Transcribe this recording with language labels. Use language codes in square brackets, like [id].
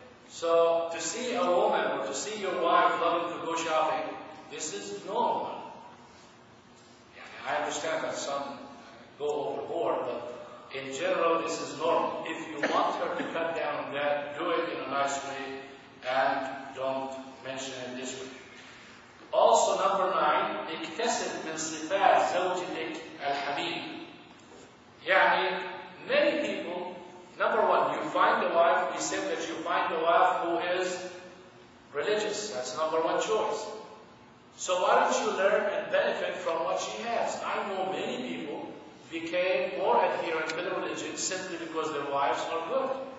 [en] So to see a woman or to see your wife loving to go shopping, this is normal. Yeah, I understand that some go overboard, but in general, this is normal. If you want her to cut down on that, do it in a nice way and don't mention it this way. Also, number 9, [ar] اكتسب من صفات زوجتك الحبيب. [en] يعني, many people, number 1, you find a wife, we said that you find a wife who is religious. That's number 1 choice. So why don't you learn and benefit from what she has? I know many people became more adherent to the religion simply because their wives are good.